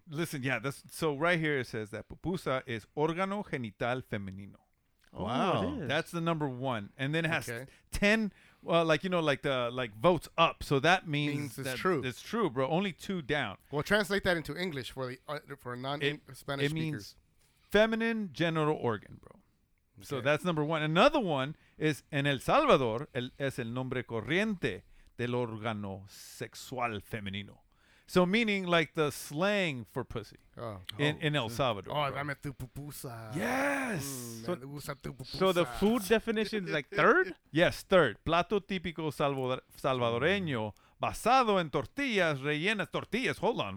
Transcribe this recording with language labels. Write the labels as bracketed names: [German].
[English] Listen, yeah, that's so right here it says that Popusa is [Spanish] órgano genital femenino. [English] Wow. That's the number one. And then it has 10, like votes up. So that means it's that true. It's true, bro. Only two down. Well, translate that into English for non-Spanish speakers. It means feminine genital organ, bro. So that's number one. Another one is [Spanish] en El Salvador, es el nombre corriente del órgano sexual femenino. [English] So meaning like the slang for pussy in El Salvador. [Spanish] Oh, dame tu pupusa. [English] Yes. So the food definition is like third? Yes, third. [Spanish] Plato típico salvadoreño basado en tortillas rellenas. Tortillas, [English] hold on.